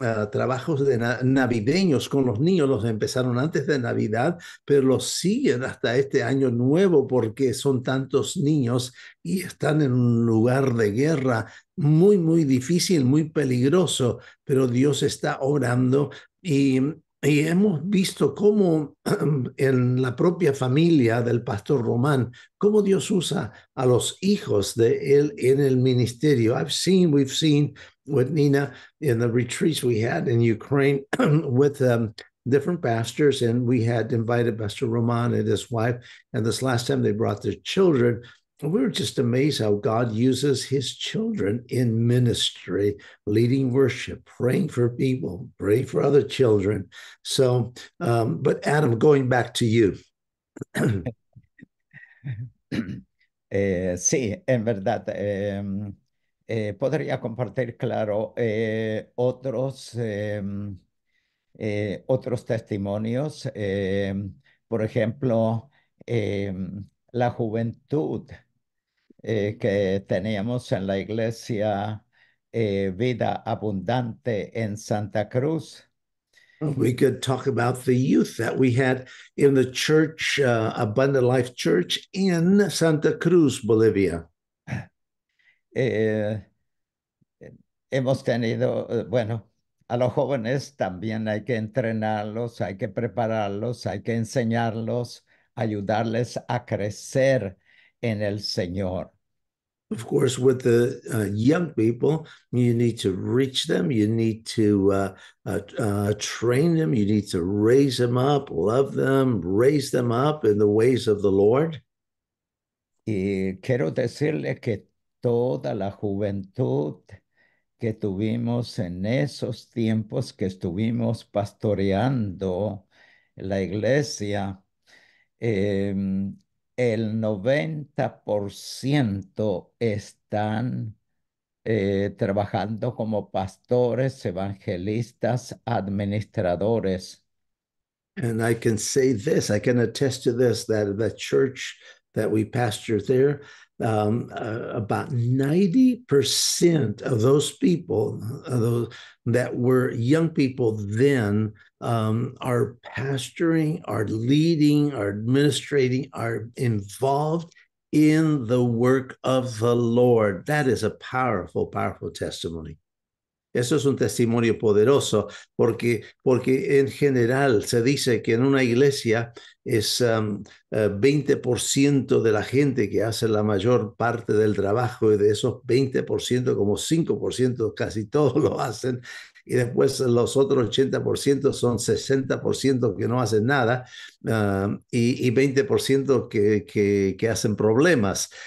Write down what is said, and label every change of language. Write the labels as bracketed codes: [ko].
[es] trabajos de navideños con los niños los empezaron antes de Navidad, pero los siguen hasta este año nuevo porque son tantos niños y están en un lugar de guerra muy, muy difícil, muy peligroso, pero Dios está obrando y hemos visto cómo en la propia familia del pastor Román, cómo Dios usa a los hijos de él en el ministerio. [en] We've seen with Nina in the retreats we had in Ukraine with different pastors, and we had invited Pastor Román and his wife, and this last time they brought their children. And we were just amazed how God uses his children in ministry, leading worship, praying for people, praying for other children. So, but Adam, going back to you. [es] sí, en verdad, podría compartir, claro, otros testimonios. Por ejemplo, la juventud. Que teníamos en la iglesia Vida Abundante en Santa Cruz. [en] We could talk about the youth that we had in the church, Abundant Life Church in Santa Cruz, Bolivia. [es] Hemos tenido, bueno, a los jóvenes también hay que entrenarlos, hay que prepararlos, hay que enseñarlos, ayudarles a crecer en el Señor. [en] Of course, with the young people, you need to reach them, you need to train them, you need to raise them up, love them, raise them up in the ways of the Lord. [es] Y quiero decirle que toda la juventud que tuvimos en esos tiempos que estuvimos pastoreando la iglesia, el 90% están trabajando como pastores, evangelistas, administradores. [en] And I can say this, I can attest to this, that the church that we pastor there, about 90% of those people that were young people then are pastoring, are leading, are administrating, are involved in the work of the Lord. That is a powerful, powerful testimony. [es] Eso es un testimonio poderoso porque en general se dice que en una iglesia es 20% de la gente que hace la mayor parte del trabajo y de esos 20% como 5% casi todos lo hacen y después los otros 80% son 60% que no hacen nada y 20% que hacen problemas.